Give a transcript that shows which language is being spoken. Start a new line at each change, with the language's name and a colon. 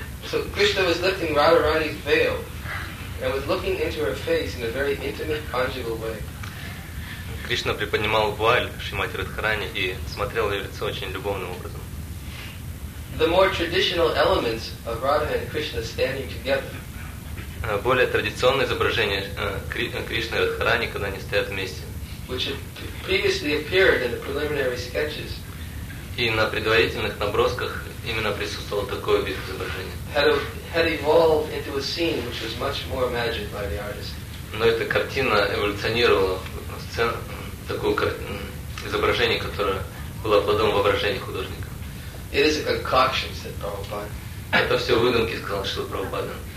English: So Krishna was lifting Radharani's veil and was looking into her face in a very intimate conjugal way.
Russian: Кришна приподнимал вуаль Шримати Радхарани и смотрел в ее лицо очень любовным образом.
English: The more traditional elements of Radha and Krishna standing together.
Russian: Более традиционное изображение Кришны и Радхарани, когда они стоят вместе.
English: Which had previously appeared in the preliminary sketches.
Russian: И на предварительных набросках именно присутствовал такой вид изображения.
English: Had evolved into a scene which was much more imagined by the artist.
Russian: Но эта картина эволюционировала в сцену, такое изображение, которое было плодом воображения художника.
English: It is a concoction, said Prabhupada.
Russian: Это все выдумки, сказал Шрила Прабхупада.